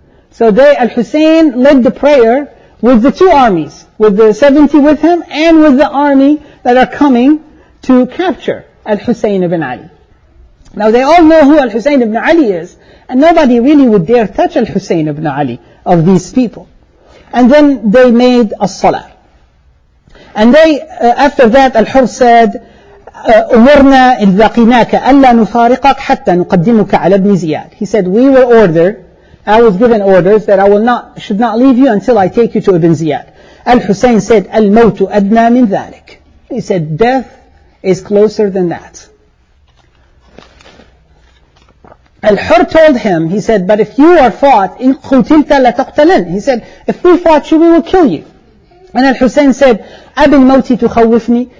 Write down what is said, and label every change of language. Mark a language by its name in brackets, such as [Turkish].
[English] So they, Al-Husayn led the prayer with the two armies, with the 70 with him and with the army that are coming to capture Al-Husayn ibn Ali. Now they all know who Al-Husayn ibn Ali is, and nobody really would dare touch Al-Husayn ibn Ali of these people. And then they made a salah. And they, after that, Al-Hur said, [Arabic] أُمُرْنَا إِذْ ذَقِنَاكَ أَلَّا نُفَارِقَكَ حَتَّى نُقَدِّمُكَ عَلَى ابْنِ زِيَادٍ. [English] He said, we were ordered, I was given orders that I will not, should not leave you until I take you to Ibn Ziyad. Al-Husayn said, [Arabic] الْمَوْتُ أَدْنَى مِنْ ذَلِكَ. [English] He said, death is closer than that. Al-Hur told him, he said, but if you are fought, [Arabic] إِنْ قُتِلْتَ لَتَقْتَلَنْ. [English] He said, if we fought you, we will kill you. And Al-Husayn said, [Arabic] أَبِنْ مَوْتِ تُخَوِّفْنِي.